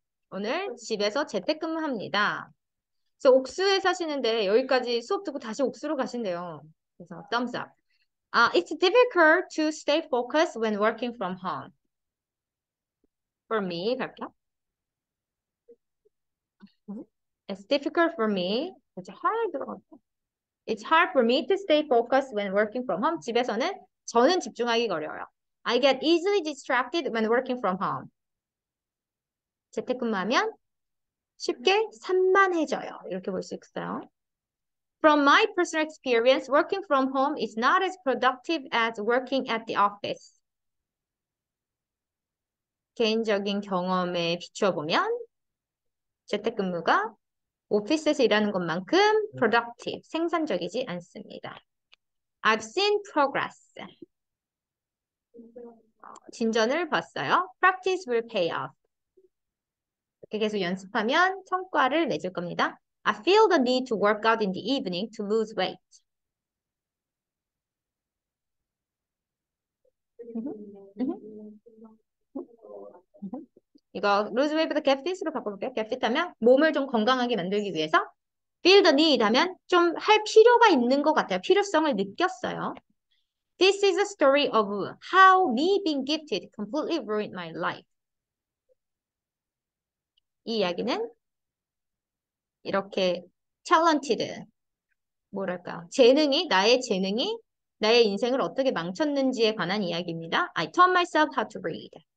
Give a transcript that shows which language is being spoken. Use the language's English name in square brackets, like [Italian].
[Korean] 오늘 집에서 재택근무합니다. 그래서 옥수에 사시는데 여기까지 수업 듣고 다시 옥수로 가신대요. 그래서 [English] thumbs up. It's difficult to stay focused when working from home. For me, [Korean] 갈게요. [English] It's difficult for me. It's hard for me to stay focused when working from home. [Korean] 집에서는 저는 집중하기 어려워요. [English] I get easily distracted when working from home. [Korean] 재택근무하면 쉽게 산만해져요. 이렇게 볼수 있어요. [English] From my personal experience, working from home is not as productive as working at the office. [Korean] 개인적인 경험에 비추어 보면 재택근무가 오피스에서 일하는 것만큼 productive, 생산적이지 않습니다. [English] I've seen progress. [Korean] 진전을 봤어요. [English] Practice will pay off. [Korean] 이렇게 계속 연습하면 성과를 내줄 겁니다. [English] I feel the need to work out in the evening to lose weight. [Korean] 이거 lose weight부터 get fit으로 바꿔볼게요. get fit 하면 몸을 좀 건강하게 만들기 위해서 feel the need 하면 좀할 필요가 있는 것 같아요. 필요성을 느꼈어요. [English] This is a story of how me being gifted completely ruined my life. [Korean] 이 이야기는 이렇게 talented, 뭐랄까, 나의 재능이 나의 인생을 어떻게 망쳤는지에 관한 이야기입니다. [English] I taught myself how to read.